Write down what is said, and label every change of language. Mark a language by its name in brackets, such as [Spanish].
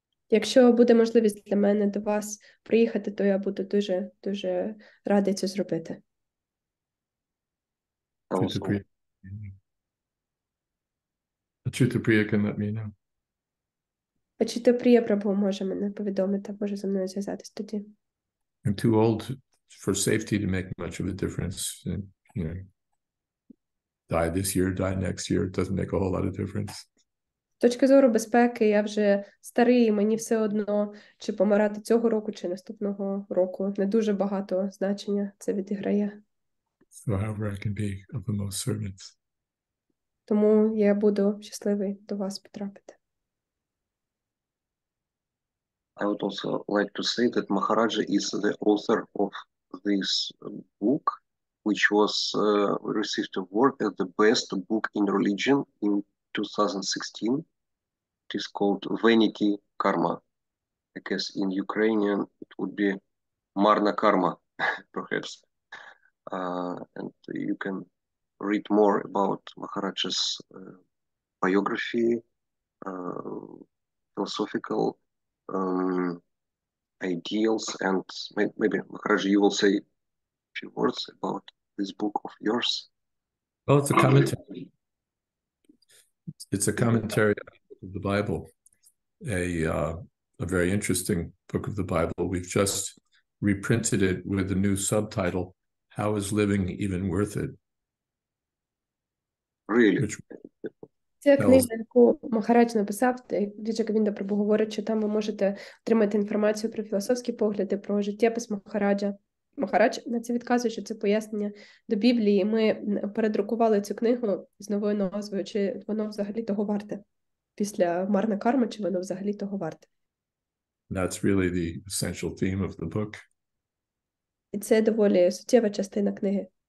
[Ukrainian] Якщо буде можливість для мене до вас приїхати, то я буду дуже-дуже радий це зробити. [English] Awesome. Чітапрія can let me know. [Ukrainian] Чітапрія Прабху може мене повідомити, може зі мною зв'язатись тоді. [English] I'm too old for safety to make much of a difference. You know, die this year, die next year, it doesn't make a whole lot of difference. [Ukrainian] З точки зору безпеки, я вже старий, мені все одно, чи помирати цього року, чи наступного року. Не дуже багато значення це відіграє. [English] So however I can be of the most servants. [Ukrainian] Тому я буду щасливий до вас потрапити. [English] I would also like to say that Maharaja is the author of this book, which was received award as the best book in religion in 2016. It is called Vanity Karma. I guess in Ukrainian it would be Marna Karma, perhaps. And you can read more about Maharaja's biography, philosophical ideals, and maybe Maharaja, you will say a few words about this book of yours. Well, it's a commentary. It's a commentary on the book of the Bible, a very interesting book of the Bible. We've just reprinted it with a new subtitle, How is Living Even Worth It? Really? [Ukrainian] Ця книга, яку Махарадж написав, дідчика він до Прабу говорить, що там ви можете отримати інформацію про філософські погляди, про життєпис Махараджа. Махарадж на це відказує, що це пояснення до Біблії. Ми передрукували цю книгу з новою назвою, чи воно взагалі того варте, після Марна Карма, чи воно взагалі того варте. [English] That's really the essential theme of the book. [Ukrainian] І це доволі суттєва частина книги.